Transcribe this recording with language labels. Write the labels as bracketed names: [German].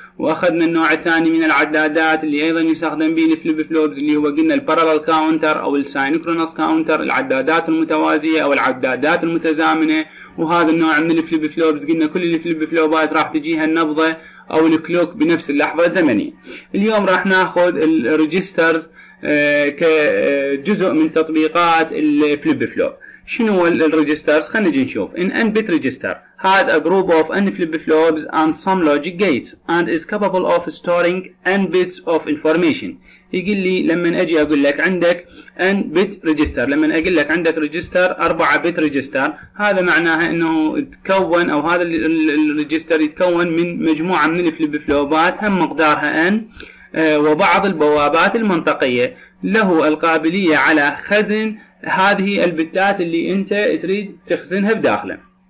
[Arabic] واخذنا النوع الثاني من العدادات اللي ايضا يستخدم به الفليب فلوبز اللي هو قلنا البارالل كاونتر او السينكرونس كاونتر، العدادات المتوازيه او العدادات المتزامنه. وهذا النوع من الفليب فلوبز قلنا كل الفليب فلوبات راح تجيها النبضه او الكلوك بنفس اللحظه الزمنيه. اليوم راح ناخذ الريجسترز كجزء من تطبيقات الفليب فلوب. شنو هو الريجسترز؟ خلينا نجي نشوف. [English] An n bit register has a group of n flip flops and some logic gates and is capable of storing n bits of information. [Arabic] يقول لي لما اجي اقول لك عندك n bit register، لما اقول لك عندك register 4 bit register، هذا معناها انه تكون، او هذا الريجستر يتكون من مجموعه من الفليب فلوبات هم مقدارها n، وبعض البوابات المنطقيه له القابليه على خزن هذه البتات اللي انت تريد تخزنها بداخله.